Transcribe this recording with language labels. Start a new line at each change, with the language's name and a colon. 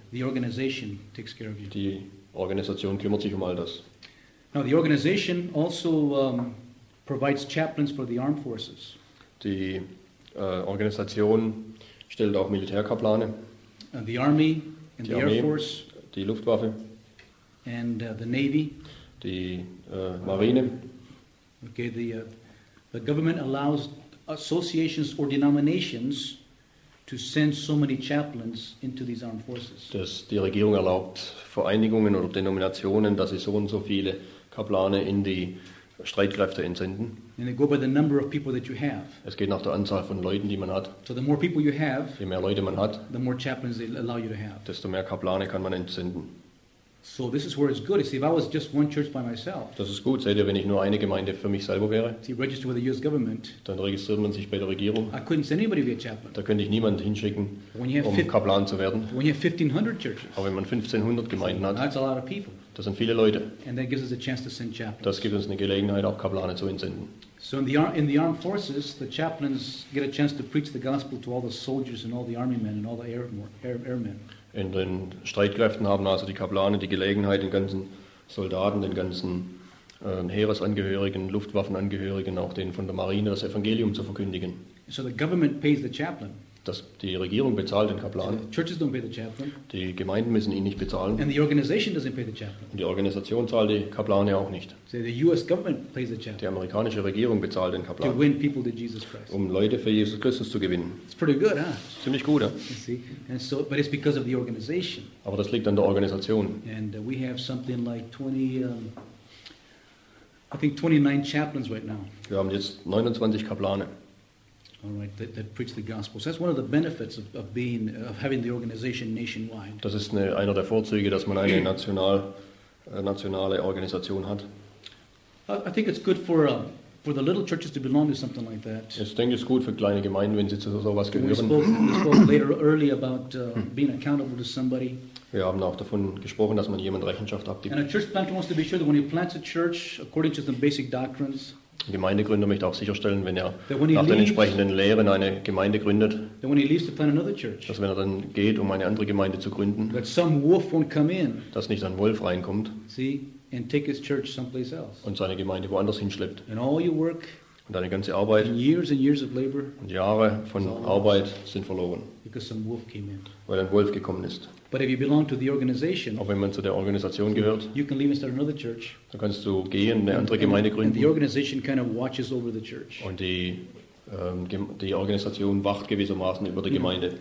English: The organization takes care of you.
German: Die Organisation kümmert sich um all das.
English: Now the organization also provides chaplains for the armed forces.
German: Die Organisation stellt auch Militärkaplane.
English: And the Army and the Air Force.
German: Die Luftwaffe.
English: And the Navy.
German: Die Marine.
English: Okay, the government allows associations or denominations to send so many chaplains into these armed forces.
German: Die Regierung erlaubt Vereinigungen oder Denominationen, dass sie so und so viele Kaplane in die Streitkräfte entsenden.
English: And they go by the number of people that you have.
German: Es geht nach der Anzahl von Leuten, die man hat.
English: So the more people you have,
German: je mehr Leute man hat,
English: the more chaplains they allow you to have.
German: Desto mehr Kaplane kann man entsenden.
English: So this is where it's good. See, if I was just one church by myself.
German: Das ist gut. Seht ihr, wenn ich nur eine Gemeinde für mich selber wäre.
English: See, register with the U.S. government.
German: Dann registriert man sich bei der Regierung.
English: I couldn't send anybody to be a chaplain.
German: Da könnte ich niemanden hinschicken, um Kaplan zu werden.
English: When you have 1,500 churches.
German: Aber wenn man 1,500 Gemeinden hat.
English: That's a lot of people.
German: Das sind viele Leute.
English: And that gives us a chance to send chaplains.
German: Das gibt uns eine Gelegenheit, auch Kaplane zu entsenden.
English: So in the armed forces, the chaplains get a chance to preach the gospel to all the soldiers and all the army men and all the airmen.
German: In den Streitkräften haben also die Kaplane die Gelegenheit, den ganzen Soldaten, den ganzen Heeresangehörigen, Luftwaffenangehörigen, auch denen von der Marine, das Evangelium zu verkündigen.
English: So the government pays the chaplain.
German: Da dass die Regierung bezahlt den Kaplan.
English: Churches don't pay the chaplain.
German: Die Gemeinden müssen ihn nicht bezahlen.
English: And the organization doesn't pay the chaplain.
German: Und die Organisation zahlt die Kaplane auch nicht.
English: So the US government pays the chaplain.
German: Die amerikanische Regierung bezahlt den Kaplan.
English: To win people to Jesus Christ.
German: Um Leute für Jesus Christus zu gewinnen.
English: It's pretty good, huh?
German: Ist ziemlich gut, ja.
English: And so, but it's because of the organization.
German: Aber das liegt an der Organisation.
English: And we have something like 29 chaplains right now.
German: Wir haben jetzt 29 Kaplane.
English: All right, that preach the gospel. So that's one of the benefits of having the organization nationwide.
German: Das ist einer der Vorzüge, dass man eine nationale Organisation hat.
English: I think it's good for the little churches to belong to something like that.
German: Ich denke, es ist gut für kleine Gemeinden, wenn sie zu sowas gehören.
English: We spoke later early about being accountable to somebody.
German: Wir haben auch davon gesprochen, dass man jemand Rechenschaft abgibt.
English: And a church planter wants to be sure that when he plants a church according to some basic doctrines.
German: Ein Gemeindegründer möchte auch sicherstellen, wenn er nach den entsprechenden Lehren eine Gemeinde gründet, dass wenn er dann geht, um eine andere Gemeinde zu gründen, dass nicht ein Wolf reinkommt und seine Gemeinde woanders hinschleppt. Und deine ganze Arbeit und Jahre von Arbeit sind verloren, weil ein Wolf gekommen ist.
English: But if you belong to the organization,
German: auch wenn man zu der Organisation gehört,
English: you can leave and start another church.
German: Da kannst du gehen und eine andere Gemeinde gründen.
English: And the organization kind of watches over the church.
German: Und die Organisation wacht gewissermaßen über die Gemeinde.